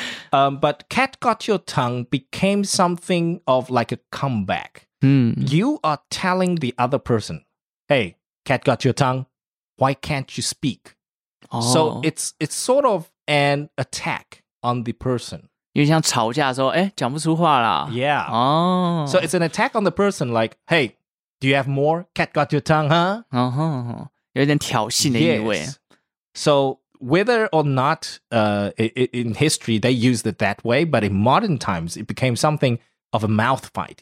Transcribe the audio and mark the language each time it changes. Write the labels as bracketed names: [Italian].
[English] But cat got your tongue became something of like a comeback. Mm. You are telling the other person, hey, cat got your tongue. Why can't you speak? Oh. So it's sort of an attack on the person. [Chinese] 有点像吵架的时候，哎，讲不出话了。 [English] Yeah. Oh. So it's an attack on the person like, hey, do you have more? Cat got your tongue, huh? [Chinese] Uh-huh. 有点挑衅的意味。 [English] Yes. So whether or not in history they used it that way, but in modern times it became something of a mouth fight.